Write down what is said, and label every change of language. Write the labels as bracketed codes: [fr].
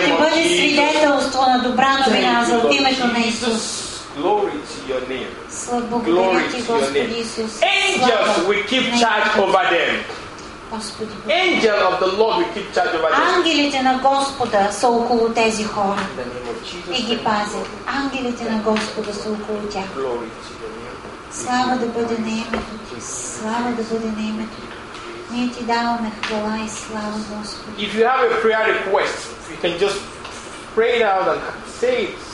[bg] ще бъде свидетелство на добра новина за името на Исус. [en] Glory to your name. Glory to your name. Angels, we keep charge over them. Angel of the Lord, we keep charge over them. [bg] Ангелите на Господа са около тези хора и ги пазят. Ангелите на Господа са около тях. Слава да бъде на името ти. Слава да бъде на името ти. Ние ти даваме хвала и слава, Господи. [en] If you have a prayer request, you can just pray it out and say it.